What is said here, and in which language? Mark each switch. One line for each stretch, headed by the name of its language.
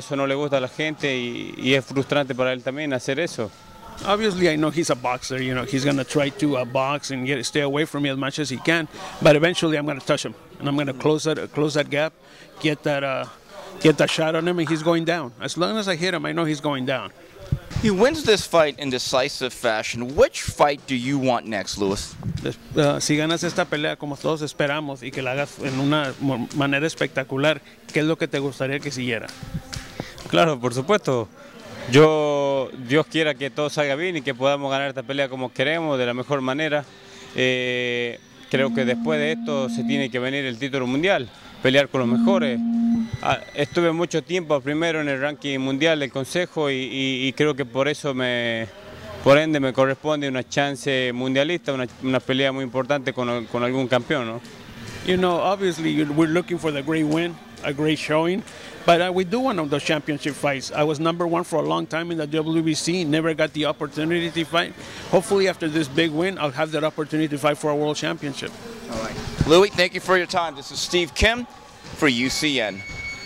Spanish: Eso no le gusta a la gente y es frustrante para él también hacer eso.
English: Obviously, I know he's a boxer. You know, he's going to try to box and stay away from me as much as he can. But eventually, I'm going to touch him. And I'm going to close that gap, get that shot on him, and he's going down. As long as I hit him, I know he's going down. He wins this fight in decisive fashion. Which fight do you want next, Louis?
Spanish: Si ganas esta pelea como todos esperamos y que la hagas en una manera espectacular, ¿qué es lo que te gustaría que siguiera? Claro, por supuesto. Yo, Dios quiera que todo salga bien y que podamos ganar esta pelea como queremos, de la mejor manera. Creo que después de esto se tiene que venir el título mundial, pelear con los mejores. Estuve mucho tiempo primero en el ranking mundial del Consejo y creo que por eso me corresponde una chance mundialista, una pelea muy importante con algún campeón, ¿no?
English: You know, obviously we're looking for the great win, a great showing, but we do want those championship fights. I was number one for a long time in the WBC, never got the opportunity to fight. Hopefully after this big win, I'll have that opportunity to fight for a world championship. All right. Louis, thank you for your time. This is Steve Kim for UCN.